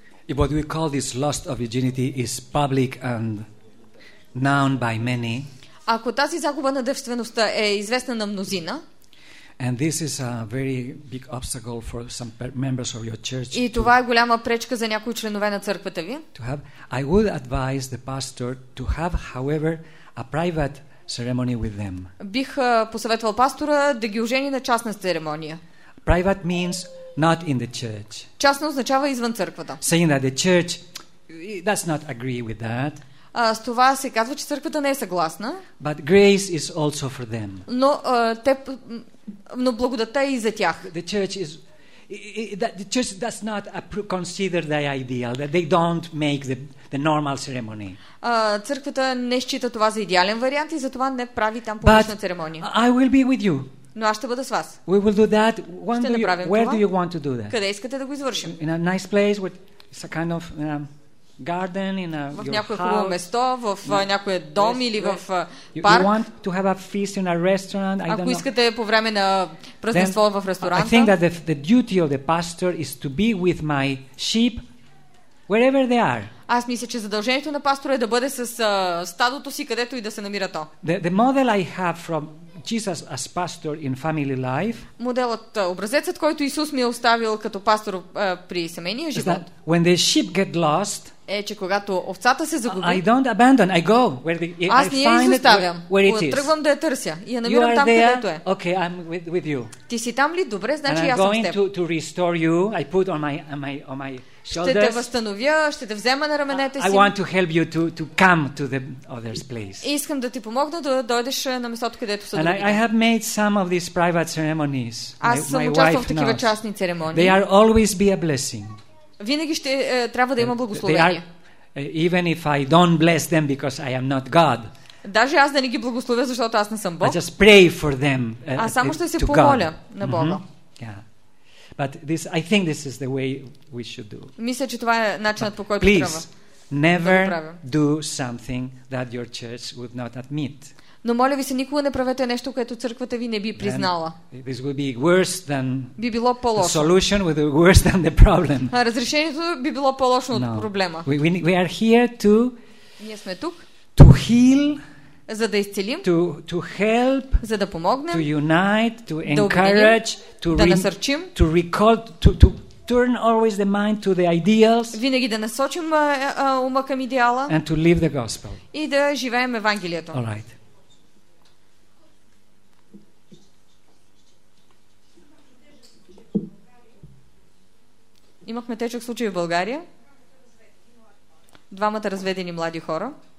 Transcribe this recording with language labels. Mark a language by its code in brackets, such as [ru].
[en] If what we call this loss of virginity is public and known by many, [bg] ако тази загуба на девствеността е известна на мнозина, [en] and this is a very big obstacle for some members of your church, [bg] и това е голяма пречка за някои членове на църквата ви, [en] I would advise the pastor to have, however, a private ceremony with them. [bg] Бих посъветвал пастора да ги ожени на частна церемония. [en] Private means not in the church. [bg] Частно означава извън църквата. [en] Saying that the church does not agree with that. [bg] С това се казва, че църквата не е съгласна. [en] But grace is also for them. [bg] Но благодата е и за тях. [en] The church is that the church does not consider the ideal, that they don't make the normal ceremony. [bg] Църквата не счита това за идеален вариант и затова не прави там публична церемония. [en] But I will be with you. [bg] Но аз ще бъда с вас. [en] We will do that. When [bg] ще направим [en] where [bg] това? [en] Do you want to do that? [bg] Къде искате да го извършим? [en] In a nice place with a kind of garden in a [bg] в някое хубаво место, в някое дом или в парк. [en] You want to have a feast in a restaurant? [bg] Ако искате по време на празненство в ресторанта. [en] I think that the duty of the pastor is to be with my sheep wherever they are. [bg] Аз мисля, че задължението на пастора е да бъде с стадото си където и да се намира то. [en] The model I have from Jesus as pastor in family life. [bg] Моделът, образецът, който Исус ми е оставил като пастор при семейния живот. [en] When the sheep get lost, [bg] е, че когато овцата се загуби, [en] I don't abandon, I go where [bg] аз не я изоставям. Тръгвам да я търся и я намирам там, където е. [en] Okay, I'm with you. [bg] Ти си там ли? Добре, значи аз съм с теб. [en] And I'm going to restore you. I put on my [bg] ще те възстановя, ще те взема на раменете си. [en] I want to help you to come to the other's place. [bg] Искам да ти помогна да дойдеш на местото, където са другите. [en] I have made some of these private ceremonies. [bg] Аз съм участвал в такива частни церемонии. [en] They are always be a blessing. [bg] Винаги ще трябва да има благословение. [en] They are, even if I don't bless them because I am not God. [bg] Даже аз да не ги благословя, защото аз не съм Бог. [en] I just pray for them. [bg] Аз само ще се помоля на Бога. Mm-hmm. Yeah. [en] But this, I think this is the way we should do. [bg] Мисля, че това е начинът по който [en] please, [bg] трябва. [en] Please never do something that your church would not admit. [bg] Но моля ви се, никога не правете нещо, което църквата ви не би признала. [en] Then this would be worse than [bg] би било по-лошо. [en] The solution would be worse than the problem. [bg] Разрешението би било по-лошо от проблема. [en] We are here to [bg] ние сме тук. [en] To heal, [bg] за да изцелим, [en] to help, [bg] за да помогнем, [en] to unite, to encourage, [bg] да насърчим, [en] to recall, to turn always the mind to the ideals, [bg] винаги да насочим ума към идеала, [en] and to live the gospel, [bg] и да живеем Евангелието. [en] All right. [bg] Имахме тежък случай в България. Двамата разведени млади хора.